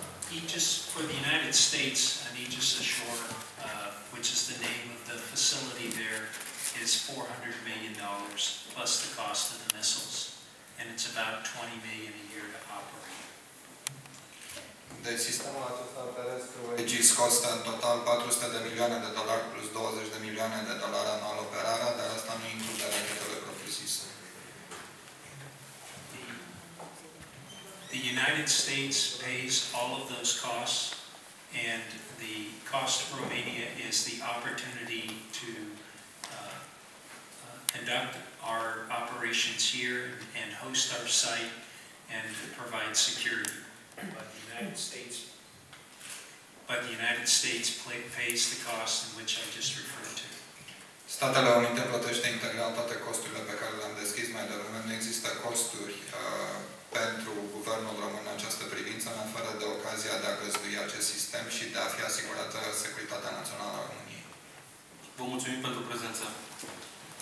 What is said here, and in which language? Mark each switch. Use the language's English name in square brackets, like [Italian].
[English] Aegis for the United States and Aegis Ashore, which is the name of the facility there, is $400 million plus the cost of the missiles. And it's about $20 million a year to operate. The system [Romanian] Aegis costă în total [English] $400 million plus $20 million [Romanian] anual operare, dar asta nu include rachetele propriu-zise. [English] The United States pays all of those costs, and the cost of Romania is the opportunity to conduct our operations here and host our site and provide security. But the United States pays the cost in which I just referred to. [Romanian] Statele Unite plătește integral toate costurile pe care le-am deschis mai devreme. Nu există costuri pentru guvernul român în această privință, în afară de ocazia de a găzdui acest sistem și de a fi asigurată securitatea națională a României. Vă mulțumim pentru prezență.